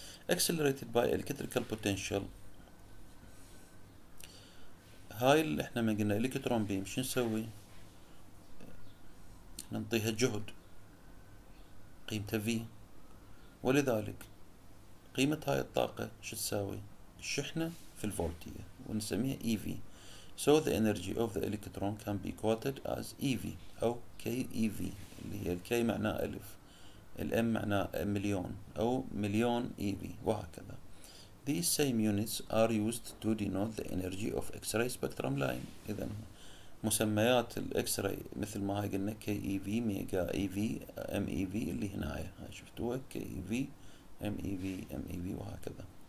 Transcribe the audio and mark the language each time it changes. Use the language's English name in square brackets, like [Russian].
[English] accelerated by electrical potential. [Arabic] هاي اللي احنا ما قلنا الكترون بيم شو نسوي؟ نعطيها جهد قيمتها V، ولذلك قيمة هاي الطاقة شو تساوي؟ الشحنة في الفولتية، ونسميها EV. [English] So the energy of the electron can be quoted as EV [Arabic] أو KEV، اللي هي الـ K معناه ألف، الام معناه مليون او مليون اي في وهكذا. [English] These same units are used to denote the energy of X-ray spectrum line. [Arabic] اذا مسميات الاكس راي مثل ما هاي قلنا كي اي في، ميجا اي في، ام اي في، اللي هنا هاي شفتوها كي اي في، ام اي في، ام اي في وهكذا.